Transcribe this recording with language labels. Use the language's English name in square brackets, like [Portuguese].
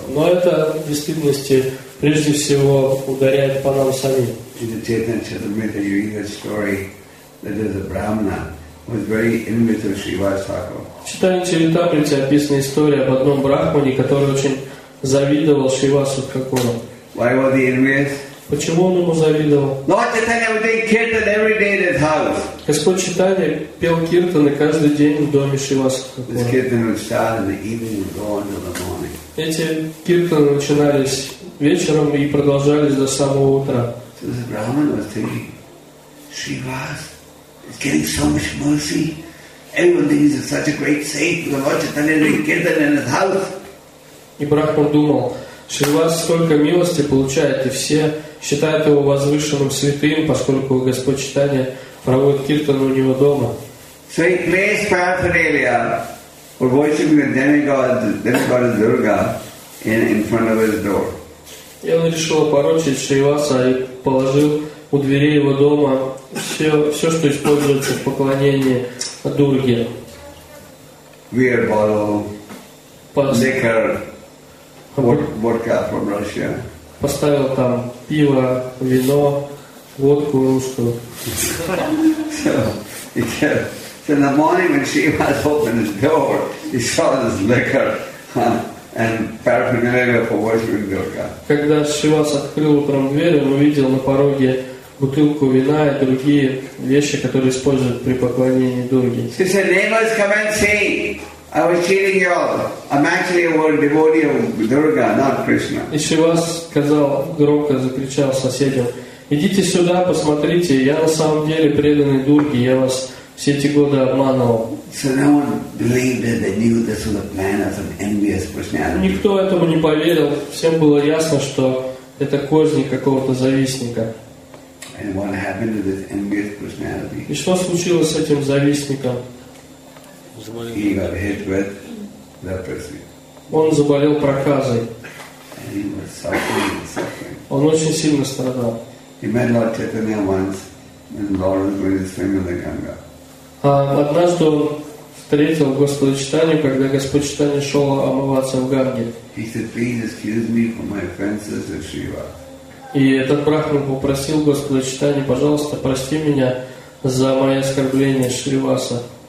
[Russian] Но это в действительности прежде всего ударяет по нам самим. [English] In the Chaitanya Charitamrita you read a story that there's a Brahmana who was very envious of Shrivasthaka. [Russian] В Chaitanya Charitamrita описана история об одном брахмане, который очень завидовал Шривасудхакуру. [English] Why was he envious? [Russian] Почему он ему завидовал? [English] Lord Chaitanya would sing kirtan every day in his house. [Russian] Господь Чайтанья пел киртаны каждый день в доме Шривасудхакуры. [English] This kirtan would start in the evening and go until the morning. [Russian] Эти киртаны начинались вечером и продолжались до самого утра. [English] So this Brahman was thinking, Shrivas is getting so much mercy. Everyone thinks he's such a great saint. The Lord Chaitanya would sing kirtan in his house. [Russian] И Брахман думал, Шривас столько милости получает, и все считают его возвышенным святым, поскольку Господь Чайтанья проводит киртану у него дома. [English] So he placed paraphernalia for worshiping the demigod Durga in front of his door. [Russian] И он решил опорочить Шриваса и положил у двери его дома все, что используется в поклонении Дурге. [English] Beer bottle, liquor. Vodka from Russia. [Russian] поставил там пиво, вино, водку русскую. Когда Шивас открыл утром дверь, он увидел на пороге бутылку вина и другие вещи, которые используют при поклонении Дурге. [English] I was cheating you all. I'm actually a world devotee of Durga, not Krishna. [Russian] И Шивас сказал, громко закричал соседям: идите сюда, посмотрите, я на самом деле преданный Дурге, я вас все эти годы обманывал. [English] So no one believed that they knew this was a plan of some envious personality. [Russian] Никто этому не поверил. Всем было ясно, что это козни какого-то завистника. [English] And what happened to this envious personality? [Russian] И что случилось с этим завистником? [English] He got hit with leprosy. [Russian] Он заболел проказой. [English] And he was suffering and suffering. [Russian] Он очень сильно страдал. [English] He met Lord Chaitanya once when Lord was going to swim in the Ganga. [Russian] Однажды он встретил Господа Читания, когда Господь Читания шел омываться в Ганге. [English] He said, "Please excuse me for my offenses, Shiva." [Russian] И этот брахман попросил Господа Читания: пожалуйста, прости меня за мои оскорбления, Шриваса.